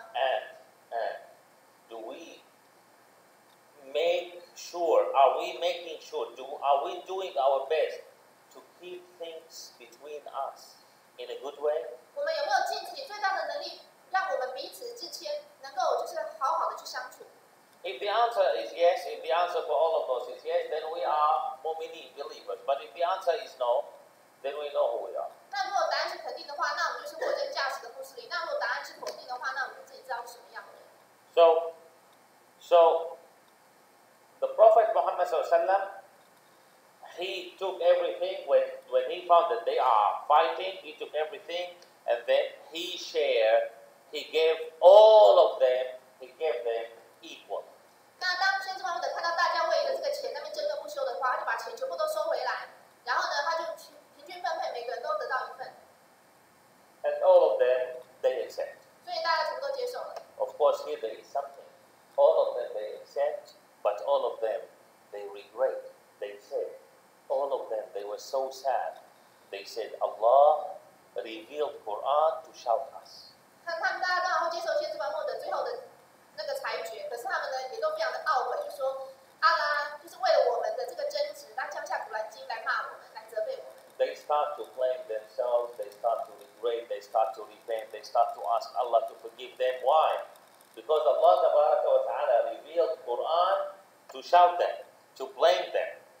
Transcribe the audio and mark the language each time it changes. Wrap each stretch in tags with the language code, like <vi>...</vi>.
<en>And do we make sure, are we doing our best to keep things between us in a good way?</en> <zh>我们有没有尽自己最大的能力，让我们彼此之间能够就是好好的去相处？</zh> <en>If the answer is yes, if the answer for all of us is yes, then we are Mu'mini believers. But if the answer is no, then we know who we are.</en> <zh>那如果答案是肯定的话，那我们就是活在驾驶的故事里。那如果答案是否定的话，那我们自己知道是什么样的人。</zh> <en>So the Prophet Muhammad sallallahu alaihi wasallam, he took everything when he found that they are fighting, he took everything and then he shared, he gave all of them, he gave them equal.</en> <zh>那当先知穆罕默德看到大家为了这个钱那边争论不休的话，他就把钱全部都收回来，然后呢，他就平均分配，每个人都得到一份。</zh> <en>And all of them, they accept.</en> <zh>所以大家全部都接受了。</zh> <en>Of course, here there is something. All of them they accept, but all of them they regret. They said, all of them they were so sad. They said, Allah revealed Quran to shout us.</en> <zh>看他们大家当然会接受先知穆罕默德最后的那个裁决，可是他们呢也都非常的懊悔，就说阿拉就是为了我们的这个争执，他降下古兰经来骂我们，来责备我们。</zh> <en>They start to blame themselves. They start to regret. They start to repent. They start to ask Allah to forgive them. Why? Because Allah Tabaraka wa Ta'ala revealed Quran to shout them, to blame them.</en>